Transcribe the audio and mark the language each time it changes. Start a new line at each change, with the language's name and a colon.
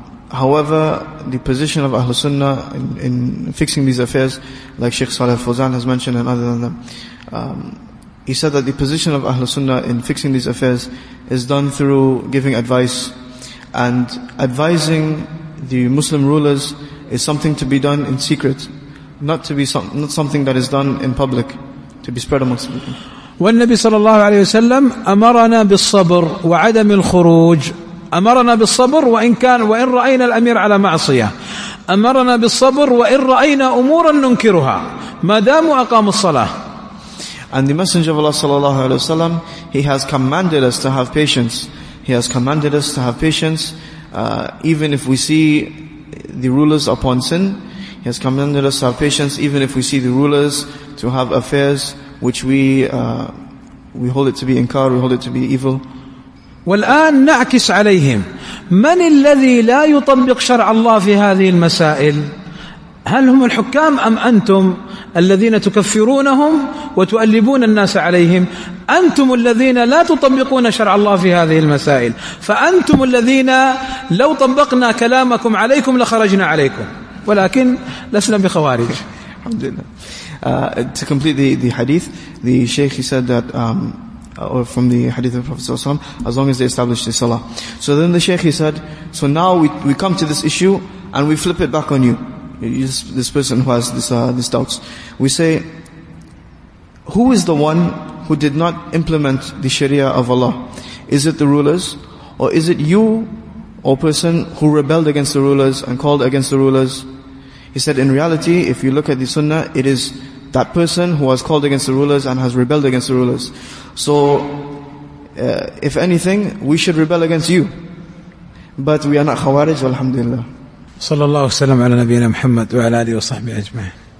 English: However, the position of Ahlus Sunnah in fixing these affairs, like Sheikh Saleh Fawzan has mentioned and other than them, he said that the position of Ahlus Sunnah in fixing these affairs is done through giving advice, and advising the Muslim rulers is something to be done in secret, not something that is done in public, to be spread amongst people.
Arabic: والنبي صلى الله عليه وسلم أمرنا بالصبر وعدم الخروج. أمرنا بالصبر وإن كان وإن رأينا الأمير على معصية، أمرنا بالصبر وإن رأينا أمورا ننكرها ما دام أقام الصلاة.
English: And the Messenger of Allah
Arabic: صلى الله عليه وسلم,
English: he has commanded us to have patience. He has commanded us to have patience, even if we see the rulers upon sin. He has commanded us to have patience, even if we see the rulers to have affairs which we hold it to be inkar, we hold it to be evil.
Arabic: والآن نعكس عليهم من الذي لا يطبق شرع الله في هذه المسائل؟ هل هم الحكام أم أنتم الذين تكفرونهم وتؤلبون الناس عليهم؟ أنتم الذين لا تطبقون شرع الله في هذه المسائل، فأنتم الذين لو طبقنا كلامكم عليكم لخرجنا عليكم، ولكن لسنا بخوارج. الحمد لله.
English: To complete the hadith, the sheikh, he said that or from the hadith of the Prophet ﷺ, as long as they establish the salah. So then the sheikh, he said, so now we come to this issue and we flip it back on you, this person who has this doubts. We say, who is the one who did not implement the Sharia of Allah? Is it the rulers? Or is it you, O person, who rebelled against the rulers and called against the rulers? He said, in reality, if you look at the Sunnah, it is that person who has called against the rulers and has rebelled against the rulers. So, if anything, we should rebel against you. But we are not Khawarij, alhamdulillah.
Arabic: صلى الله وسلم على نبينا محمد وعلى آله وصحبه أجمعين.